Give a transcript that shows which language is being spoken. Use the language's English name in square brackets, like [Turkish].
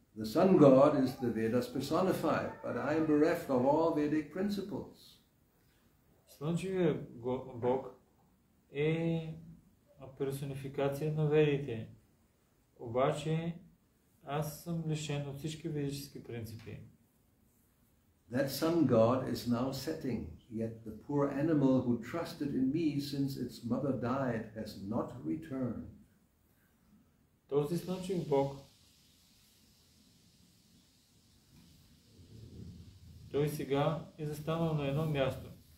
[English] The sun god is the Vedas personified, but I am bereft of all Vedic principles. [Bulgarian] Слънчевият бог е персонификация на ведите. Обаче аз съм лишен от всички ведически принципи. [English] That sun god is now setting, yet the poor animal who trusted in me since its mother died has not returned. [Bulgarian] Този слънчев бог, той сега е застанал на едно място.